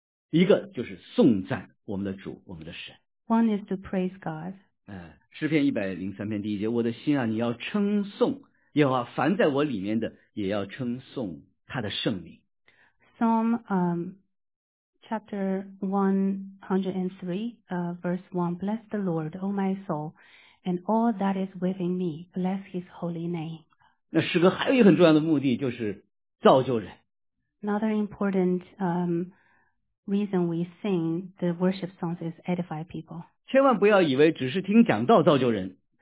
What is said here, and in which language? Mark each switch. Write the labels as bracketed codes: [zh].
[zh] 一个就是颂赞我们的主、我们的神。 [en] One is to praise God. [zh] 诗篇103篇第一节，我的心啊，你要称颂耶和华，凡在我里面的也要称颂他的圣名。 [en] Psalm chapter 103 verse 1, bless the Lord, O my soul, and all that is within me, bless his holy name. [zh] 那诗歌还有一个很重要的目的，就是造就人。 [en] Another important reason we sing the worship songs is edify people. [zh] 千万不要以为只是听讲道造就人。